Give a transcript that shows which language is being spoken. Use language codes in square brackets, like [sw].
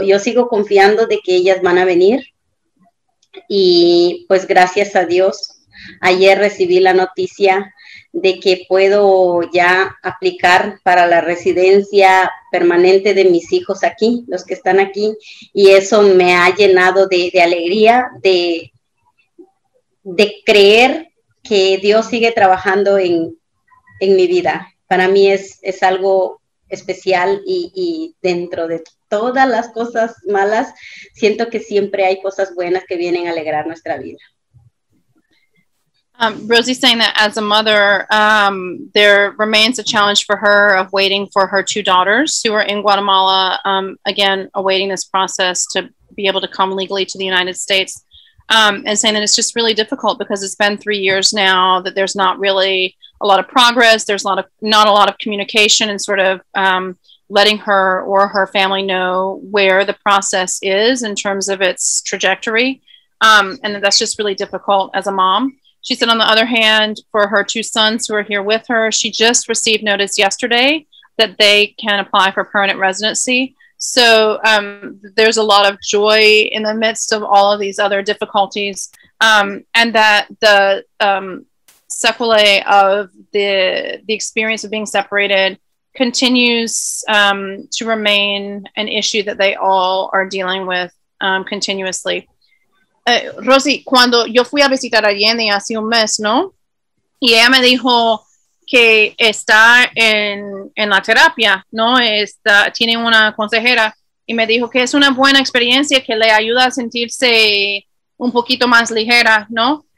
[es] Yo sigo confiando de que ellas van a venir y pues gracias a Dios, ayer recibí la noticia de que puedo ya aplicar para la residencia permanente de mis hijos aquí, los que están aquí, y eso me ha llenado de alegría, de creer que Dios sigue trabajando en mi vida. Para mí es algo especial y dentro de todas las cosas malas, siento que siempre hay cosas buenas que vienen a alegrar nuestra vida. [en] Rosy's saying that as a mother, there remains a challenge for her of waiting for her 2 daughters who are in Guatemala, again, awaiting this process to be able to come legally to the United States, and saying that it's just really difficult because it's been 3 years now that there's not really a lot of progress, there's not a lot of communication and sort of letting her or her family know where the process is in terms of its trajectory, and that's just really difficult as a mom. She said, on the other hand, for her 2 sons who are here with her, she just received notice yesterday that they can apply for permanent residency. So there's a lot of joy in the midst of all of these other difficulties, and that the sequelae of the experience of being separated continues to remain an issue that they all are dealing with continuously. [es] Rosy, cuando yo fui a visitar a Jenny hace un mes, ¿no? Y ella me dijo que está en la terapia, ¿no? Está, tiene una consejera y me dijo que es una buena experiencia que le ayuda a sentirse un poquito más ligera, ¿no?